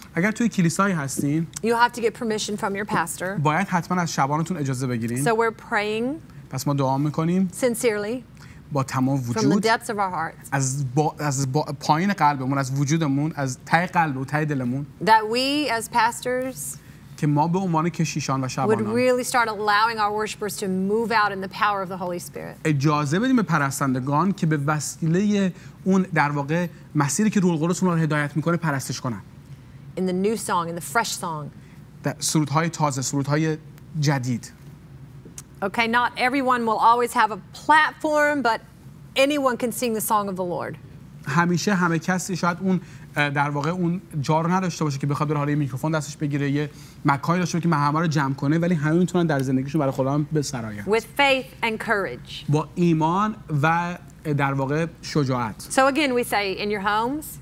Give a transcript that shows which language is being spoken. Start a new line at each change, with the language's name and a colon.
Persian: اگر توی کلیسایی هستین،
English: you have to get permission from your pastor.
Persian: باید حتما از شبانتون اجازه بگیرین.
English: So we're praying.
Persian: پس ما دعا میکنیم.
English: Sincerely.
Persian: با تمام وجود.
English: From the depths of our hearts.
Persian: از پایین قلبمون، از وجودمون، از تای قلب و تای دلمون.
English: That we as pastors.
Persian: که ما به عنوان کشیشان و شبانان.
English: Would really start allowing our worshippers to move out in the power of the Holy Spirit.
Persian: اجازه بدیم به پرستندگان که به وسیله اون در واقع مسیری که روح القدس اونها رو هدایت میکنه پرستش کنن.
English: In the new song, in the fresh song.
Persian: سرودهای تازه، سرودهای جدید.
English: Okay, not everyone will always have a platform, but anyone can sing the song of the Lord.
Persian: همیشه همه کسی شاید اون در واقع اون جا رو نداشته باشه که بخواد در حال میکروفون دستش بگیره یه مکانی داشته باشه که همه رو جمع کنه، ولی همه میتونن در زندگیشون برای خدا هم بسرایند.
English: With faith and courage.
Persian: با ایمان و در واقع شجاعت.
English: So again we say in your homes.